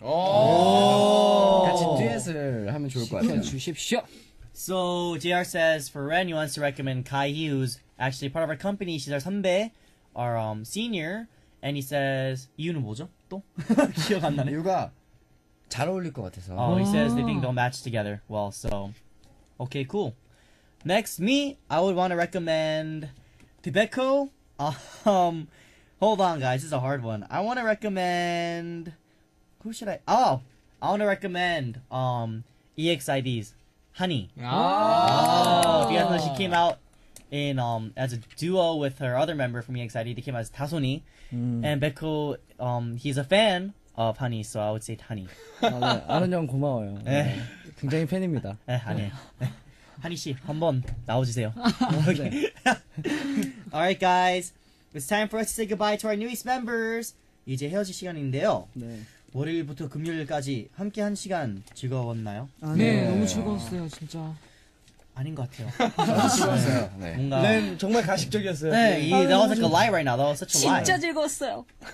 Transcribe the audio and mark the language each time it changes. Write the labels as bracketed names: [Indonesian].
[Korean] 오~ 같이 듀엣을 하면 좋을 것 같아요. 주십시오. [English] So JR says, for Ren, he wants to recommend Kai Hughes, actually part of our company. She's our 선배, our senior, and he says, [Korean] 이유는 뭐죠? 또? 기억 안 나네. 이유가 잘 어울릴 것 같아서. [English] Oh, he says they think they'll match together well, so. Okay, cool. Next, me, I would want to recommend Tibeko. Hold on, guys, this is a hard one. I want to recommend, who should I, oh, I want to recommend EXID's Honey. Oh! Because she came out in as a duo with her other member from EXID. They came out as Tasoni. And Beko, he's a fan of Honey, so I would say Honey. [Korean] 아는 형 고마워요. 굉장히 팬입니다. 네, 아니에요. 하니 씨, 한번 나와주세요. [English] Alright, guys. It's time for us to say goodbye to our newest members. [Korean] 이제 헤어질 시간인데요. 네. 월요일부터 금요일까지 함께 한 시간 즐거웠나요? 아, 네. 네, 너무 즐거웠어요, 진짜. 아닌 것 같아요. 즐거웠어요. 네. 뭔가. 랜 정말 가식적이었어요. 네, 이 네. [English] That was like a lie right now. That was such a lie. [Korean] 진짜 즐거웠어요.